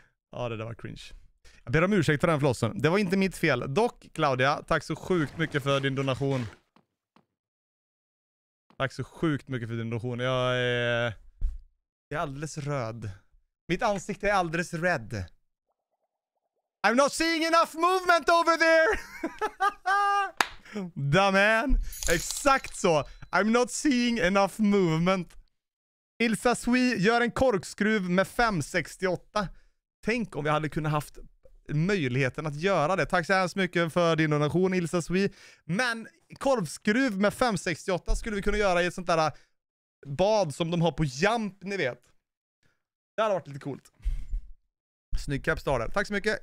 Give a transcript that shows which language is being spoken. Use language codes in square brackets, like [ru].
[sv] Ja, det där var cringe. Jag ber om ursäkt för den flossen. Det var inte mitt fel. Dock, Claudia, tack så sjukt mycket för din donation. Tack så sjukt mycket för din donation. Jag är alldeles röd. Mitt ansikte är alldeles [en] red. I'm not seeing enough movement over there! Da man! [sv] Exakt så! [en] I'm not seeing enough movement. [sv] Ilsa Sui gör en korkskruv med 568. Tänk om vi hade kunnat haft möjligheten att göra det. Tack så hemskt mycket för din donation, Ilsa Sui. Men korkskruv med 568 skulle vi kunna göra i ett sånt där bad som de har på Jump, ni vet. Det hade varit lite coolt. Snygg capstar där. Tack så mycket.